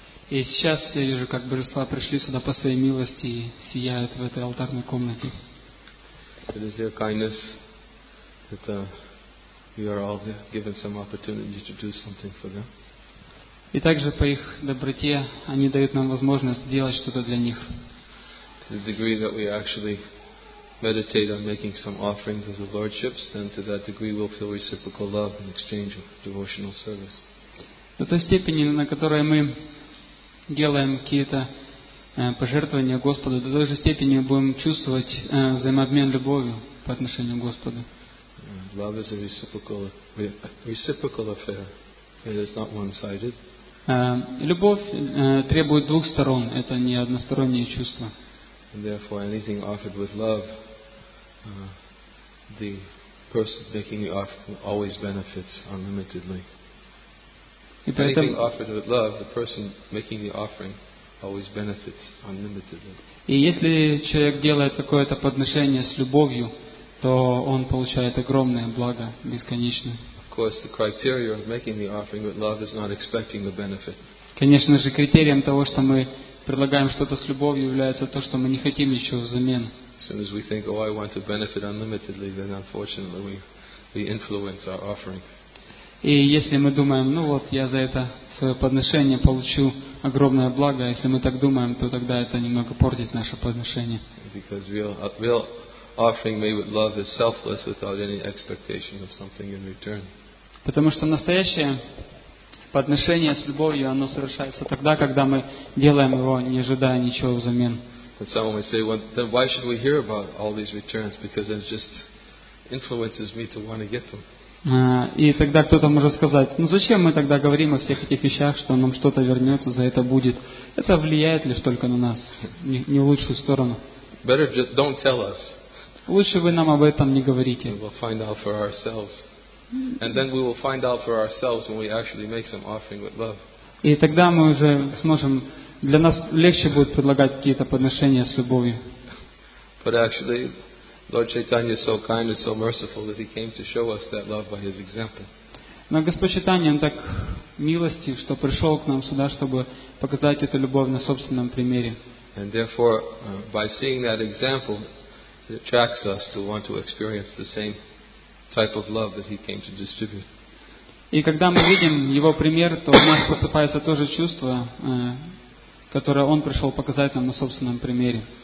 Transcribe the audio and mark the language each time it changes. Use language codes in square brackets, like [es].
[ru] сейчас я вижу, как божества пришли сюда по своей милости и сияют в этой алтарной комнате. [en] It is their kindness that we are all given some opportunity to do something for them. [ru] И также по их доброте они дают нам возможность сделать что-то для них. [en] To the degree that we actually meditate on making some offerings of the lordships, then to that degree we'll feel reciprocal love in exchange of devotional service. [ru] До той степени, на которой мы делаем какие-то пожертвования Господу, до той же степени будем чувствовать взаимообмен любовью по отношению к Господу. [en] Love is a reciprocal affair. It is not one-sided. [ru] Любовь требует двух сторон. Это не одностороннее чувство. [en] And therefore, anything offered with love, the person making the offering always benefits unlimitedly. Anything offered with love, the person making the offering always benefits unlimitedly. [ru] И если человек делает какое-то подношение с любовью, то он получает огромное благо бесконечное. [en] Of course, the criteria of making the offering with love is not expecting the benefit. [ru] Конечно же, критерием того, что мы предлагаем что-то с любовью, является то, что мы не хотим ничего взамен. [en] As soon as we think, "Oh, I want to benefit unlimitedly," then unfortunately we influence our offering. [ru] И если мы думаем, ну вот я за это свое подношение получу огромное благо, если мы так думаем, то тогда это немного портит наше подношение. [en] Because real offering made with love is selfless, without any expectation of something in return. [ru] Потому что настоящее подношение с любовью, оно совершается тогда, когда мы делаем его, не ожидая ничего взамен. [en] And some might say, "Well, then why should we hear about all these returns? Because it just influences me to want to get them." [ru] И тогда кто-то может сказать, ну зачем мы тогда говорим о всех этих вещах, что нам что-то вернется, за это будет. Это влияет лишь только на нас, не в лучшую сторону. [en] Better just don't tell us. [ru] Лучше вы нам об этом не говорите. [en] And we'll find out for ourselves. And then we will find out for ourselves when we actually make some offering with love. [ru] И тогда мы уже сможем, для нас легче будет предлагать какие-то подношения с любовью. [en] But actually, Lord Chaitanya is so kind and so merciful that he came to show us that love by his example. [ru] Но Господь Чайтанья, он так милостив, что пришел к нам сюда, чтобы показать эту любовь на собственном примере. [en] And therefore, by seeing that example, it attracts us to want to experience the same type of love that he came to distribute. [ru] И когда мы видим его пример, то у нас просыпается то же чувство, которое он пришел показать нам на собственном примере.